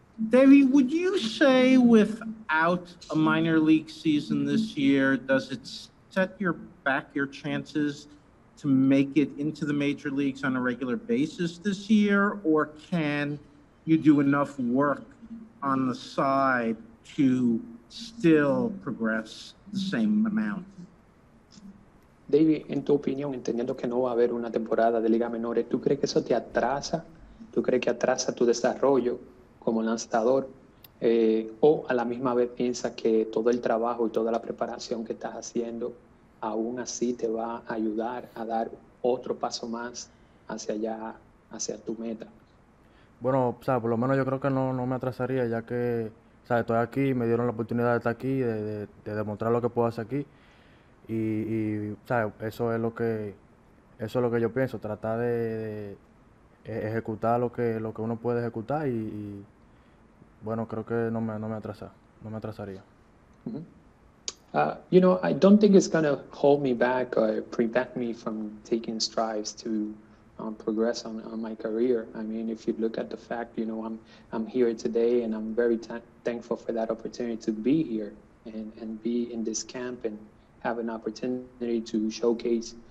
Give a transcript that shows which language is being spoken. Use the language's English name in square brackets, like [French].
[English] Davey, would you say without a minor league season this year, does it set your back your chances to make it into the major leagues on a regular basis this year, or can you do enough work on the side to still progress the same amount? [Spanish] David, en tu opinión, entendiendo que no va a haber una temporada de ligas menores, ¿tú crees que eso te atrasa? ¿Tú crees que atrasa tu desarrollo como lanzador? ¿O a la misma vez piensas que todo el trabajo y toda la preparación que estás haciendo, aún así te va a ayudar a dar otro paso más hacia allá, hacia tu meta? Bueno, o sea, por lo menos yo creo que no me atrasaría, ya que, o sea, estoy aquí, me dieron la oportunidad de estar aquí, de demostrar lo que puedo hacer aquí. Y o sea, eso es lo que yo pienso, tratar de ejecutar lo que uno puede ejecutar y bueno, creo que no me atrasaría. [English] I don't think it's going to hold me back or prevent me from taking strides to progress on my career. I mean, if you look at the fact, I'm here today and I'm very thankful for that opportunity to be here and be in this camp and have an opportunity to showcase